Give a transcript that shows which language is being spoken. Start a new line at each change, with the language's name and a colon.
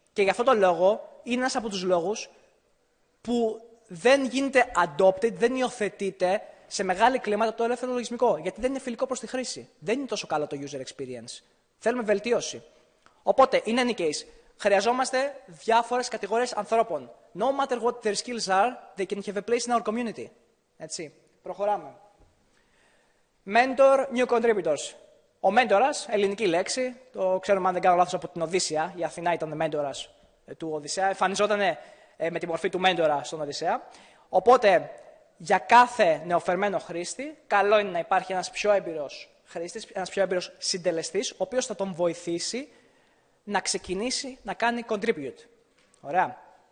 Greek: Και γι' αυτό το λόγο είναι ένας από τους λόγους που δεν γίνεται adopted, δεν υιοθετείται σε μεγάλη κλίμακα το ελεύθερο λογισμικό. Γιατί δεν είναι φιλικό προς τη χρήση. Δεν είναι τόσο καλό το user experience. Θέλουμε βελτίωση. Οπότε,
English: in any case,
Greek: χρειαζόμαστε διάφορες κατηγορίες ανθρώπων.
English: No matter what their skills are, they can have a place in our community.
Greek: Έτσι. Προχωράμε.
English: Mentor new contributors.
Greek: Ο μέντορας, ελληνική λέξη, το ξέρουμε αν δεν κάνω λάθος από την Οδύσσεια, η Αθηνά ήταν μέντορας του Οδυσσέα, εμφανιζόταν με τη μορφή του μέντορα στον Οδυσσέα. Οπότε, για κάθε νεοφερμένο χρήστη, καλό είναι να υπάρχει ένας πιο έμπειρος χρήστης, ένας πιο έμπειρος συντελεστής, ο οποίος θα τον βοηθήσει να ξεκινήσει να κάνει contribute. Ωραία.